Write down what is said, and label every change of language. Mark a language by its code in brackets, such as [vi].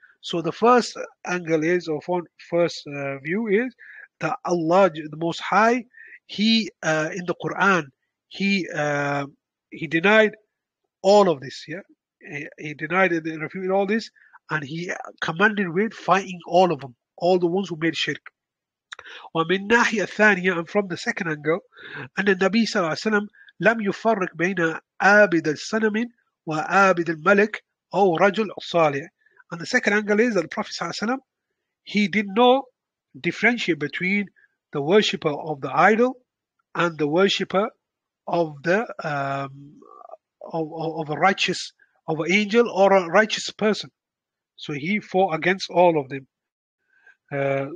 [en] So the first angle is, or first view is, that Allah, the Most High, He in the Quran, He denied all of this. Yeah, He denied and refuted all this, and He commanded with fighting all of them, all the ones who made shirk. [ar] ومن ناحية ثانية, [en] and from the second angle, [ar] أن النبي صلى الله عليه وسلم لم يفرق بين عابد الصنم وعابد الملك أو رجل صالح. [en] And the second angle is that the Prophet ﷺ, he did not differentiate between the worshipper of the idol and the worshipper of the of a righteous, of an angel or a righteous person. So he fought against all of them.